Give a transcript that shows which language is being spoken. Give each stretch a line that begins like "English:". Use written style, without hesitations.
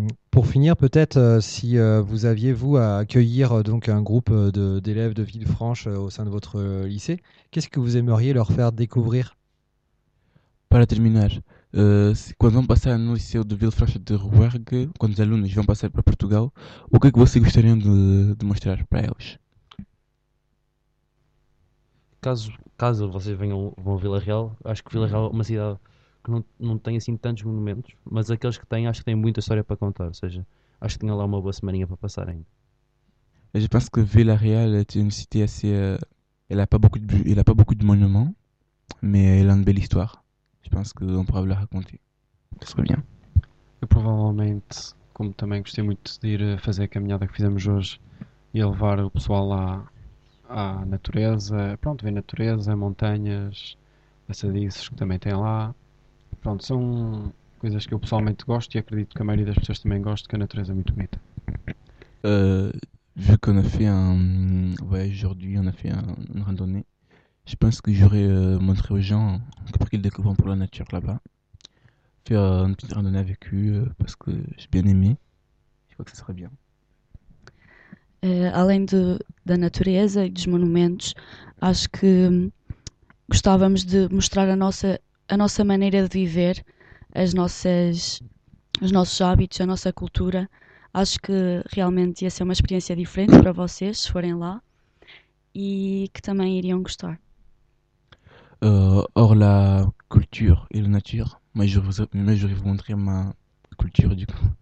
French: Pour finir, peut-être si vous aviez vous à accueillir donc un groupe d'élèves de Villefranche au sein de votre lycée, qu'est-ce que vous aimeriez leur faire découvrir?
Portuguese: Para terminar. Quando vão passar no Liceu de Villefranche de Rouergue, quando os alunos vão passar para Portugal, o que é que vocês gostariam de mostrar para eles? Caso vocês venham vão Vila Real, acho que Vila Real é uma cidade que não tem assim tantos monumentos, mas aqueles que têm, acho que têm muita história para contar. Ou seja, acho que tinha lá uma boa semaninha para passar ainda.
French: Je pense que Villa Real est une cité assez. Elle a pas beaucoup de monuments, mais elle a une belle histoire. Je pense que on pourra vous la raconter. Ce serait bien.
Portuguese: Eu provavelmente, como também gostei muito de ir fazer a caminhada que fizemos hoje e levar o pessoal lá à natureza, pronto, ver natureza, montanhas, passadiços que também tem lá. Pronto, são coisas que eu pessoalmente gosto e acredito que a maioria das pessoas também gosta, que a natureza é muito bonita.
French: Vu qu'on a fait un voyage aujourd'hui, on a fait une randonnée. Je pense que j'aurais montré aux gens pour qu'ils découvrent pour la nature là-bas. Faire une petite randonnée avec eux parce que j'ai bien aimé. Je crois que ce serait bien.
Portuguese: Além da natureza e dos monumentos, acho que gostávamos de mostrar a nossa maneira de viver, os nossos hábitos, a nossa cultura. Acho que realmente ia ser uma experiência diferente para vocês, se forem lá, e que também iriam gostar.
French: Hors la culture et la nature, mais je vais vous montrer ma culture du coup.